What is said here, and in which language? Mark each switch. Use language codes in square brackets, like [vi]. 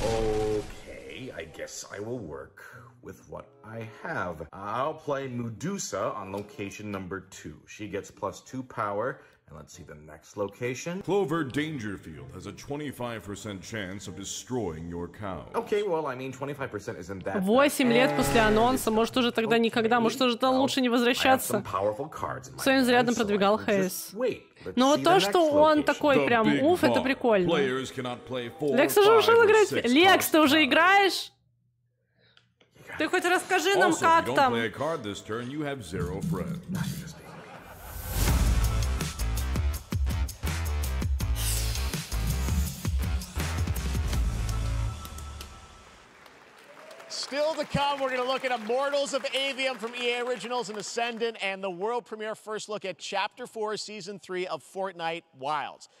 [en] Okay, I guess I will work with what I have. I'll play Medusa on location number 2. She gets +2 power. And let's see the next location. Clover Dangerfield has a 25% chance of destroying your cow. Okay, well, I mean, 25% isn't that. [ru] 8 лет после анонса, может уже тогда никогда, может уже тогда лучше не возвращаться. Своим зарядом продвигал Хейс. Но вот то, что он такой прям уф, это прикольно. Лекс уже ушел играть. Лекс, ты уже играешь? Ты хоть расскажи нам, как там. [en] Also, if you don't play a card this turn, you have zero friends. Still to come, we're going to look at Immortals of Avium from EA Originals and Ascendant, and the world premiere first look at Chapter 4, Season 3 of Fortnite Wilds.